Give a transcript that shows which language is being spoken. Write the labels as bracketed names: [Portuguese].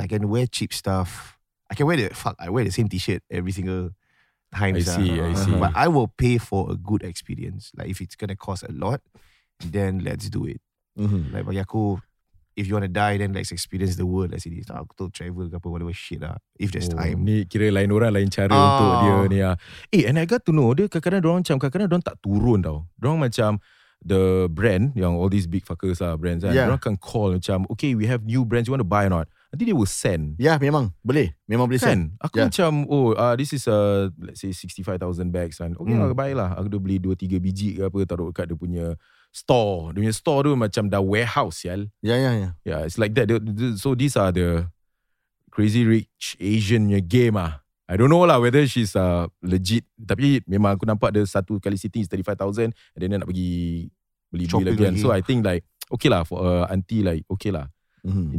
[English] I can wear cheap stuff. I can wear the same t-shirt every single time. I see. But I will pay for a good experience. Like if it's gonna cost a lot, then let's do it. Mm-hmm. Like [Malay] bagi aku. [English] If you want to die, then let's experience the world as it is. [Malay] Aku tu travel ke apa, [English] whatever shit [Malay] lah. [English] If there's time. [Malay] Ni kira lain orang, lain cara untuk dia ni lah. [English] And I got to know, [Malay] dia kadang-kadang diorang tak turun tau. Diorang macam, [English] the brand, yang all these big fuckers lah, brands kan. Yeah. [Malay] Diorang kan call macam, [English] okay, we have new brands, you want to buy or not? [Malay] Nanti dia [English] will send. [Malay] Yeah, memang. Boleh. Memang boleh kan? [English] Send. [Malay] Aku macam, [English] this is, let's say, 65,000 bags kan. Okay, aku buy lah. [Malay] Aku dah beli 2-3 biji ke apa, taruh kat dia punya... store. Dia punya store tu macam dah warehouse, yal. [English] Yeah. Yeah, it's like that. So these are the crazy rich Asian game ah. I don't know lah whether she's legit. [Malay] Tapi memang aku nampak dia satu kali [English] sitting is 35,000 and then [Malay] nak pergi beli shopping lagi. [English] So I think like, okay lah for auntie like, okay lah. Mm-hmm.